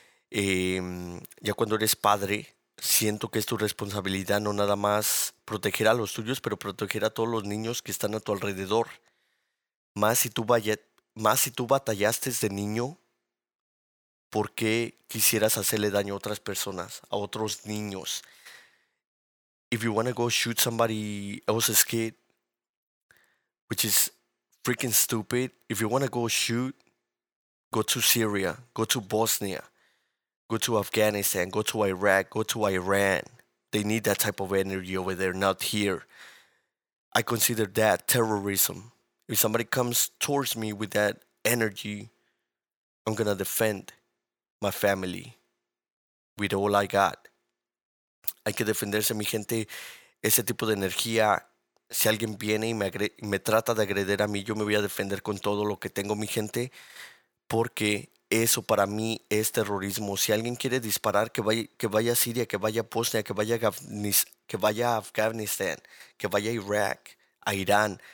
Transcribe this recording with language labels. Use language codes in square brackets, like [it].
[es] Ya cuando eres padre, siento que es tu responsabilidad no nada más proteger a los tuyos, pero proteger a todos los niños que están a tu alrededor. Más si tú batallaste de niño, ¿por qué quisieras hacerle daño a otras personas, a otros niños? [en] If you want to go shoot somebody else's kid, which is freaking stupid, if you want to go shoot, go to Syria, go to Bosnia, go to Afghanistan, go to Iraq, go to Iran. They need that type of energy over there, not here. I consider that terrorism. If somebody comes towards me with that energy, I'm gonna defend my family with all I got. [es] Hay que defenderse, mi gente. Ese tipo de energía, si alguien viene y me trata de agredir a mí, yo me voy a defender con todo lo que tengo, mi gente, porque eso para mí es terrorismo. Si alguien quiere disparar, que vaya a Siria, que vaya a Bosnia, que vaya a Afganistán, que vaya a Irak, a Irán.